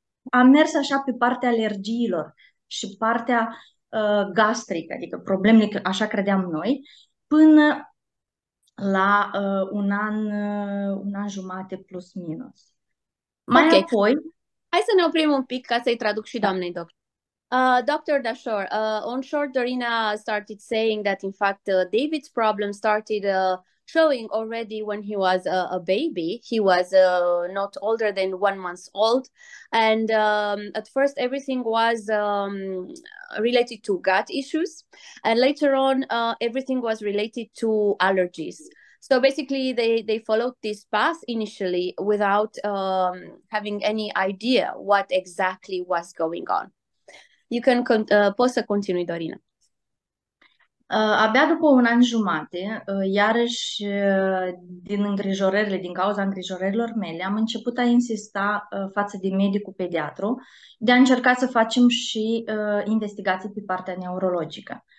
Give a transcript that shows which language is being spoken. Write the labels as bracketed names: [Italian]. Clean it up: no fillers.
[Romanian] Am mers așa pe partea alergiilor și partea gastrică, adică problemele, așa credeam noi, până la un an jumate plus minus. Mai Ok. apoi... Hai să ne oprim un pic ca să-i traduc și doamnei doctor. [English] Dr. Dashor, on short, Dorina started saying that, in fact, David's problem started showing already when he was a baby. He was not older than 1 month old. And at first, everything was related to gut issues. And later on, everything was related to allergies. So basically, they followed this path initially without having any idea what exactly was going on. You can [Romanian] poți să continui, Dorina. Abia după un an jumate, iarăși din îngrijorările, din cauza îngrijorărilor mele, am început a insista față de medicul pediatru de a încerca să facem și investigații pe partea neurologică.